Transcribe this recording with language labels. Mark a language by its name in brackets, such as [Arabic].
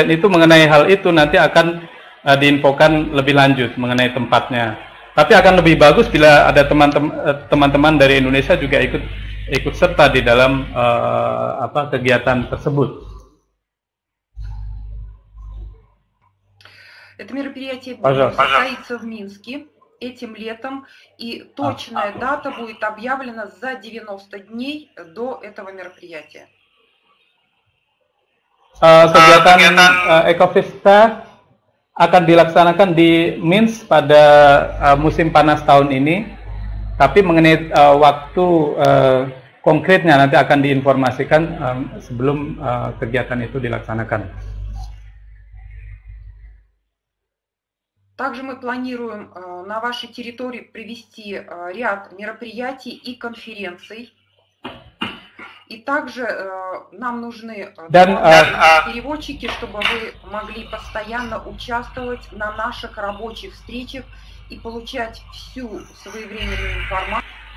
[Indonesian] Dan itu mengenai hal itu nanti akan diinfokan lebih lanjut mengenai tempatnya. Tapi akan lebih bagus bila ada teman-teman dari Indonesia juga ikut serta di dalam kegiatan tersebut. [Russian] Это мероприятие состоится в Минске этим летом, и точная дата будет объявлена за 90 дней до этого мероприятия. [Indonesian] Kegiatan Ecofesta akan dilaksanakan di Minsk pada musim panas tahun ini, tapi mengenai waktu konkretnya nanti akan diinformasikan sebelum kegiatan itu dilaksanakan. [Russian] Также мы планируем на вашей территории провести ряд мероприятий и конференций. И также нам нужны переводчики, чтобы вы могли постоянно участвовать на наших рабочих встречах и получать всю своевременную информацию.